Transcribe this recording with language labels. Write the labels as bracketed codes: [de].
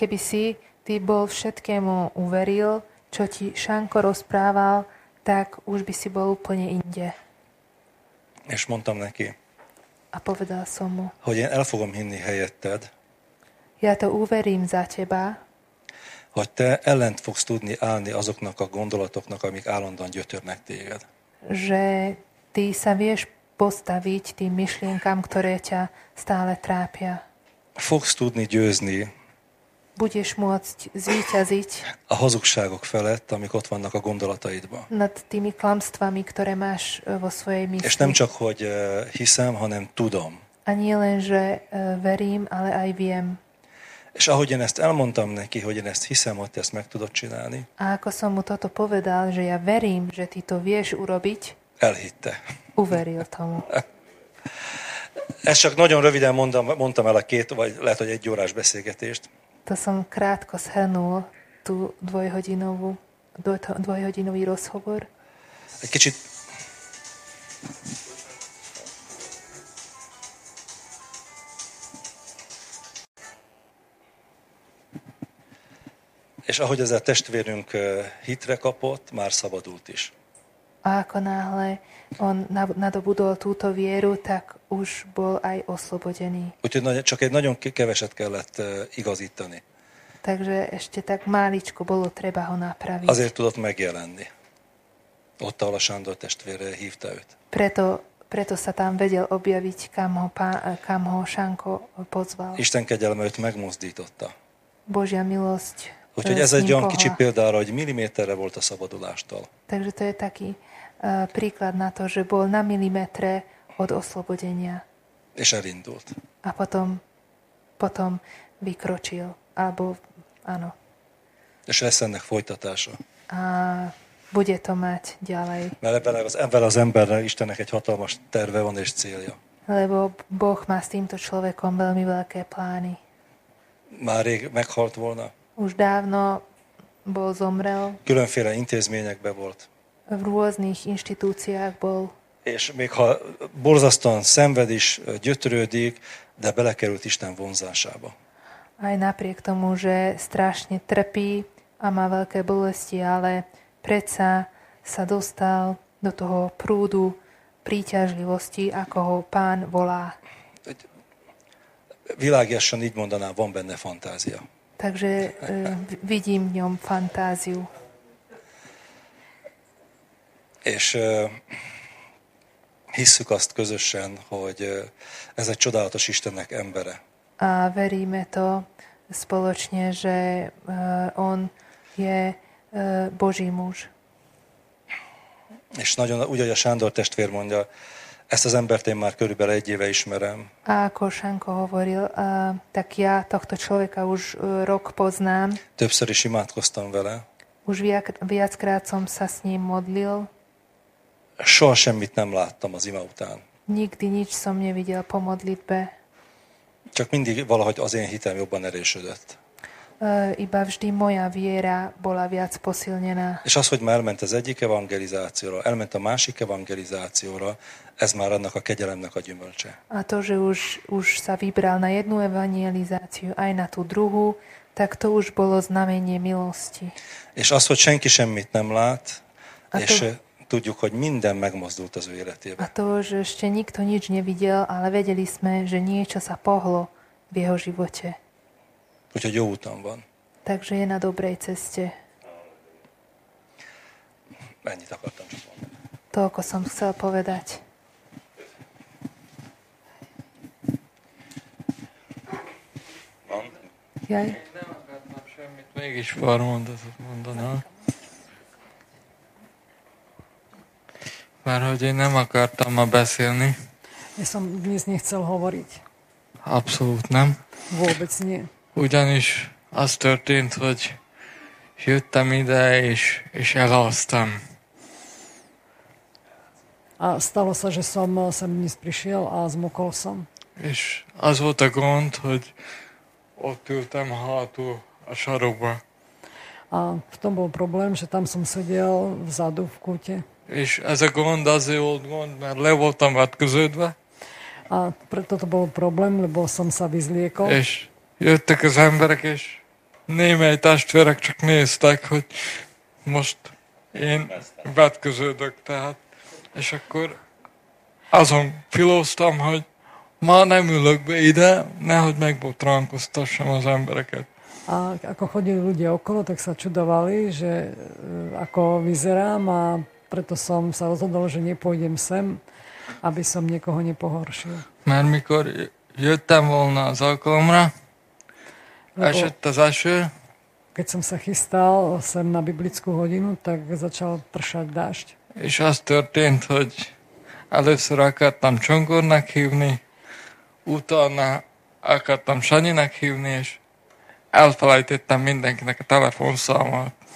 [sk] Keby si ty bol všetkému uveril, čo ti Sánko rozprával, tak už by si bol úplne inde. [hu] És mondtam neki. [sk] A povedal som mu. [hu] Hogy én el fogom hinni helyetted. [sk] Ja to uverím za teba. [hu] Hogy te ellent fogsz tudni állni azoknak a gondolatoknak, amik állandóan gyötörnek téged. [sk] Že ty sa vieš postaviť tým myšlienkám, ktoré ťa stále trápia. [hu] Fogsz tudni győzni. [sk] Budeš môcť zvíťaziť. [hu] A hazugságok felett, amik ott vannak a gondolataidban. [sk] Nad tými klamstvami, ktoré máš vo svojej mysli. [hu] És nem csak, hogy hiszem, hanem tudom. [sk] A nie len, že verím, ale aj viem. [hu] És ahogy én ezt elmondtam neki, hogy én ezt hiszem, hogy te ezt meg tudod csinálni. [sk] A ako som mu toto povedal, že ja verím, že ty to vieš urobiť. [hu] Elhitte. [sk] Uveril tomu. [hu] Ezt csak nagyon röviden mondtam el a két, vagy lehet, hogy egy órás beszélgetést. [sk] To som krátko shrnul tú dvojhodinový rozhovor. [hu] Egy kicsit... És ahogy ez a testvérünk hitre kapott, már szabadult is. [sk] A ako náhle on nadobudol túto vieru, tak už bol aj oslobodený. [hu] Úgyhogy csak egy nagyon keveset kellett igazítani. [sk] Takže ešte tak máličko bolo treba ho napraviť. [hu] Azért tudott megjelenni. Ott, ahol a Sándor testvér hívta őt. [sk] Preto sa tam vedel objaviť, kam ho Sanko pozval. [hu] Isten kegyelme őt megmozdította. [sk] Božia milosť. [hu] Úgyhogy ez egy olyan kicsi példára, hogy milliméterre volt a szabadulástól. [sk] Takže to je taký príklad na to, že bol na milimetre od oslobodenia. [hu] És elindult. [sk] A potom vykročil. Alebo, áno. [hu] És lesz ennek folytatása. [sk] A bude to mať ďalej. [hu] Mert ebben az emberrel Istennek egy hatalmas terve van és célja. [sk] Lebo Boh má s týmto človekom veľmi veľké plány. [hu] Már rég meghalt volna. [sk] Už dávno bol zomrel. [hu] Különféle intézményekben volt. [sk] V rôznych inštitúciách bol. [hu] És még ha borzasztóan szenved is, gyötrődik, de belekerült Isten vonzásába. [sk] Aj napriek tomu, že strašne trpí a má veľké bolesti, ale predsa sa dostal do toho prúdu príťažlivosti, ako ho pán volá. [hu] Világiasan így mondanám, van benne fantázia. [sk] Takže vidím v ňom fantáziu. [hu] És hisszük azt közösen, hogy ez egy csodálatos Istennek embere. [sk] A veríme to spoločne, že on je Boží muž. [hu] És nagyon, úgy, hogy a Sándor testvér mondja, ezt az embert én már körülbelül egy éve ismerem. [sk] A ako Sanko hovoril, tak ja tohto človeka už rok poznám. [hu] Többször is imádkoztam vele. [sk] Už viackrát som sa s ním modlil. [hu] Soha semmit nem láttam az ima után. [sk] Nikdy nič som nevidel po modlitbe. [hu] Csak mindig valahogy az én hitem jobban erősödött. [sk] iba vždy moja viera bola viac posilnená. [hu] És az, hogy már elment az egyik evangelizációra, elment a másik evangelizációra, ez már annak a kegyelemnek a gyümölcse. [sk] A to, že už sa vybral na jednu evangelizáciu, aj na tú druhú, tak to už bolo znamenie milosti. [hu] És az, hogy senki semmit nem lát, és tudjuk, hogy minden megmozdult az ő életében. [sk] A to, že ešte nikto nič nevidel, ale vedeli sme, že niečo sa pohlo v jeho živote. [hu] Úgyhogy jó úton van. [sk] Takže je na dobrej ceste. [hu] Ennyit akartam csak mondani. [sk] Toľko som chcel povedať. Jaj. [hu] Nem akartam semmit, mégis pár mondatot mondanám. Mert hogy én nem akartam ma beszélni. [sk] Én som dnes nechcel hovoriť. [hu] Abszolút nem. [sk] Vôbec nie. [hu] Ugyanis az történt, hogy jöttem ide, és elhoztam. [sk] A stalo sa, že som sem dnes prišiel a zmokol som. [hu] És az volt a gond, hogy ott ültem hátul a sarokba. [sk] A v tom bol problém, že tam som sedel vzadu v kúte. [hu] És ez a gond azért volt gond, mert le voltam vetköződve. [sk] A preto to bol problém, lebo som sa vyzliekol. [hu] És jöttek az emberek, és némely testvérek csak néztek, hogy most én vetköződök, tehát. És akkor azon filóztam, hogy ma nem ülök be ide, nehogy megbotránkoztassam az embereket. [sk] A ako chodili ľudia okolo, tak sa čudovali, že ako vyzerám, a preto som sa rozhodol, že nepôjdem sem, aby som niekoho nepohoršil. [hu] Mert mikor jöttem volna az alkalomra, esett az eső. [sk] Keď som sa chystal sem na biblickú hodinu, tak začal pršať dážď. [hu] És az történt, hogy először akartam Csongornak hívni, utána akartam Sanyinak hívni, és elfelejtettem mindenkinek a telefonszámát.